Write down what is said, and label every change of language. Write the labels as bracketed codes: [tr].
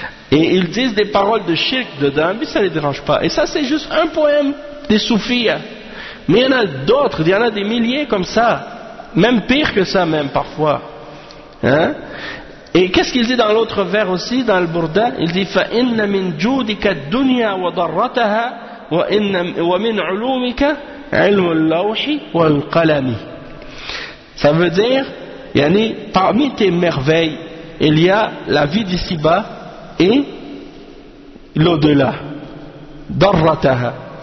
[fr] Et ils disent des paroles de shirk dedans, mais ça ne les dérange pas. Et ça c'est juste un poème des soufis. Mais il y en a d'autres, il y en a des milliers comme ça. Même pire que ça même parfois. Hein? Et qu'est-ce qu'il dit dans l'autre vers aussi, dans Al-Burda? Il dit [ar] « فَإِنَّ مِنْ جُودِكَ الدُّنْيَا وَضَرَّتَهَا » وَمِنْ عُلُومِكَ عِلْمُ اللَّوْحِ وَالْقَلَمِ. [fr] Ça veut dire yani, parmi tes merveilles il y a la vie d'ici-bas et l'au-delà. Darrataha.